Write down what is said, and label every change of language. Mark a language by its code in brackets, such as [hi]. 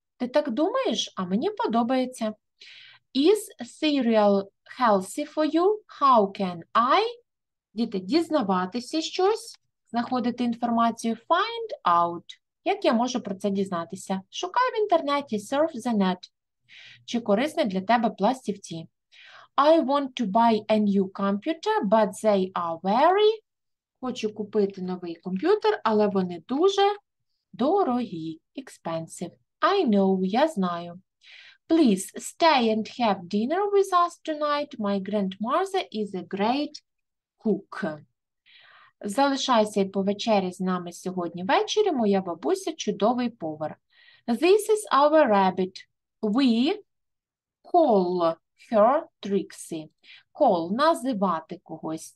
[uk] Ти так думаєш? А мені подобається. [en] Is cereal healthy for you? How can I? [uk] Діти, дізнаватися щось, знаходити інформацію. [en] Find out. [uk] Як я можу про це дізнатися? Шукай в інтернеті. [en] Surf the net. [uk] Чи корисні для тебе пластівці? [en] I want to buy a new computer, but they are very [uk] хочу купити новий комп'ютер, але вони дуже дорогі. [en] Expensive. I know, [uk] я знаю. [en] Please stay and have dinner with us tonight. My grandmother is a great cook. [uk] Залишайся і повечері з нами сьогодні ввечері. Моя бабуся чудовий повар. [en] This is our rabbit. We call her Trixie. [uk] Call – називати когось.